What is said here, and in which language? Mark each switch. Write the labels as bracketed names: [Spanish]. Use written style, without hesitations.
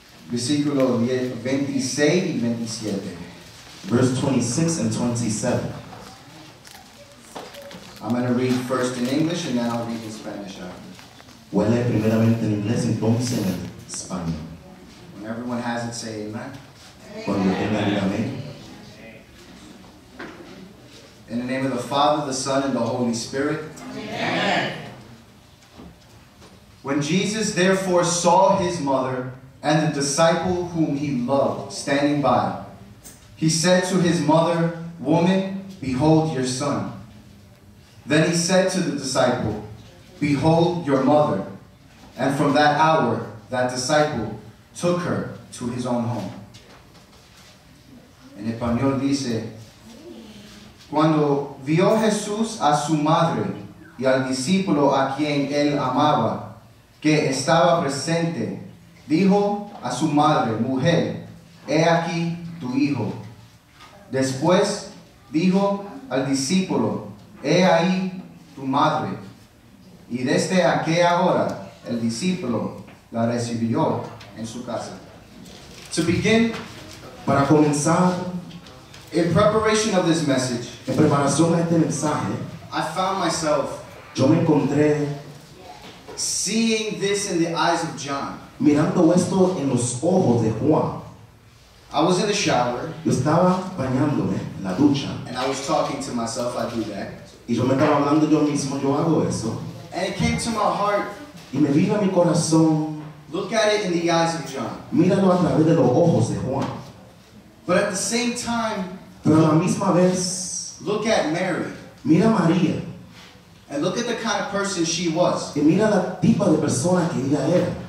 [Spanish] Versículo 26 y 27. [English] Verse 26 and 27. I'm going to read first in English and then I'll read in Spanish after. [Spanish] Voy a leer primeramente en inglés y entonces en español. [English] When everyone has it, say amen. [Spanish] Cuando tenga, diga amén. [English] In the name of the Father, the Son, and the Holy Spirit. Amen. When Jesus therefore saw his mother and the disciple whom he loved standing by, he said to his mother, "Woman, behold your son." Then he said to the disciple, "Behold your mother." And from that hour, that disciple took her to his own home. [Spanish] En español dice, cuando vio Jesús a su madre y al discípulo a quien él amaba, que estaba presente, dijo a su madre, "Mujer, he aquí tu hijo." Después dijo al discípulo, "He ahí tu madre." Y desde aquella hora, el discípulo la recibió en su casa. [English] To begin, [Spanish] para comenzar, [English] in preparation of this message, [Spanish] en preparación a este mensaje, [English] I found myself, [Spanish] yo me encontré, [English] seeing this in the eyes of John, [Spanish] mirando esto en los ojos de Juan. [English] I was in the shower, [Spanish] yo estaba bañándome en la ducha, [English] and I was talking to myself, I do that, [Spanish] y yo me estaba hablando yo mismo, yo hago eso. [English] And it came to my heart, [Spanish] y me vino a mi corazón, [English] look at it in the eyes of John, [Spanish] míralo a través de los ojos de Juan. [English] But at the same time, [Spanish] pero a la misma vez, [English] look at Mary, [Spanish] mira María, [English] and look at the kind of person she was, [Spanish] y mira la tipa de persona que ella era,